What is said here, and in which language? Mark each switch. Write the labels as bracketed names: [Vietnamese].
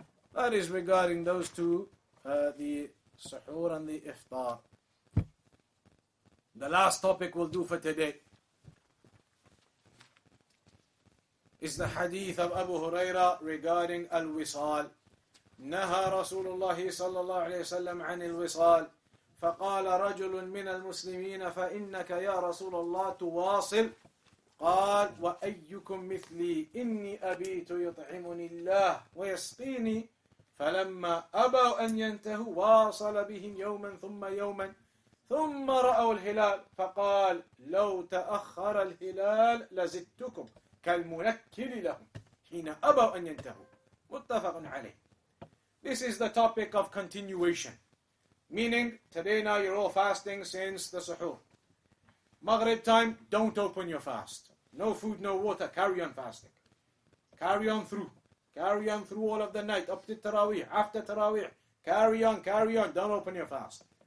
[English] That is regarding those two, the Suhoor and the Iftar. The last topic we'll do for today is the hadith of Abu Huraira regarding al-wisal. [Arabic] نهى رسول الله صلى الله عليه وسلم عن الوصال فقال رجل من المسلمين فإنك يا رسول الله تواصل قال وأيكم مثلي إني أبيت يطعمني الله ويسقيني فلما أبوا أن ينتهوا واصل بهم يوما ثم يوما ثم رأوا الهلال فقال لو تأخر الهلال لزدتكم كالمنكر لهم حين أبوا أن ينتهوا متفق عليه. [English] This is the topic of continuation. Meaning, today now you're all fasting since the suhoor. Maghrib time, don't open your fast. No food, no water, carry on fasting. Carry on through. Carry on through all of the night, up to Taraweeh, after Taraweeh. Carry on, don't open your fast.